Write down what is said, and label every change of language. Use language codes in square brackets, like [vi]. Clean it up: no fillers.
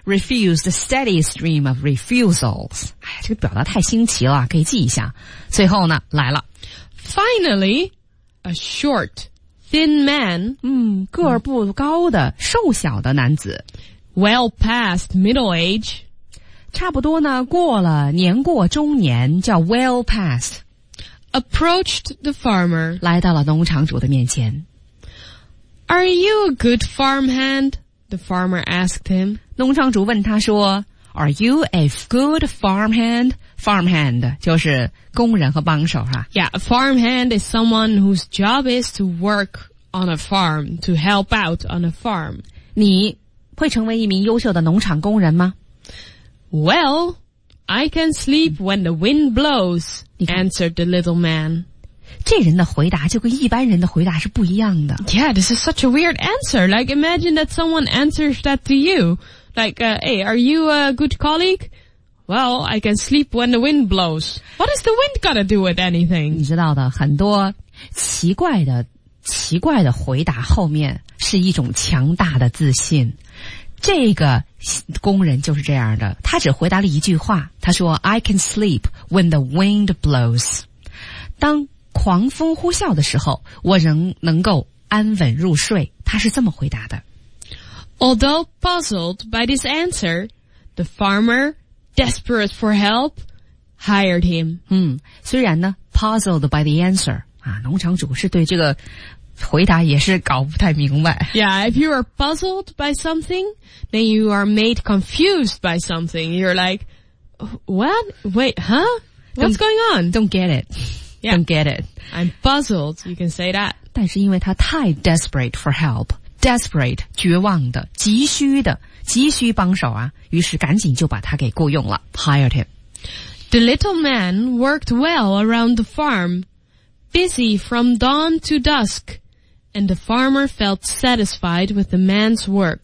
[en] Refused, a steady stream of refusals. [zh] 哎呀，这个表达太新奇了，可以记一下。最后呢，来了。 [en] Finally, a short, thin man. [zh] 嗯，个儿不高的，瘦小的男子。 [en] Well past middle age. [zh] 差不多呢，过了年过中年，叫 well past. [en] Approached the farmer. [zh] 来到了农场主的面前。 [en] Are you a good farmhand? The farmer asked him. [zh] 农场主问他说 [en] Are you a good farmhand? [zh] Farmhand 就是工人和帮手哈。 [en] Yeah, a farmhand is someone whose job is to work on a farm, to help out on a farm. [zh] 你会成为一名优秀的农场工人吗 [en] ?Well, I can sleep when the wind blows, answered the little man. [zh] 这人的回答就跟一般人的回答是不一样的。 [en] Yeah, this is such a weird answer. Like, imagine that someone answers that to you. Like, hey, are you a good colleague? Well, I can sleep when the wind blows. What is the wind gonna do with anything? [zh] 你知道的，很多奇怪的回答后面是一种强大的自信。这个工人就是这样的，他只回答了一句话，他说 [en] I can sleep when the wind blows. [zh] 当狂风呼啸的时候，我仍能够安稳入睡，他是这么回答的。 [en] Although puzzled by this answer, the farmer, desperate for help, hired him. [zh] 嗯，虽然呢 [en] puzzled by the answer, [zh] 啊，农场主是对这个回答也是搞不太明白。 [en] Yeah, if you are puzzled by something, then you are made confused by something. You're like, what? Wait, huh? What's going on? Don't get it. Yeah. Don't get it. I'm puzzled, you can say that. [zh] 但是因为他太 [en] desperate for help. [zh] Desperate, 绝望的，急需的，急需帮手啊，于是赶紧就把他给雇用了， [en] hired him. The little man worked well around the farm. Busy from dawn to dusk, and the farmer felt satisfied with the man's work.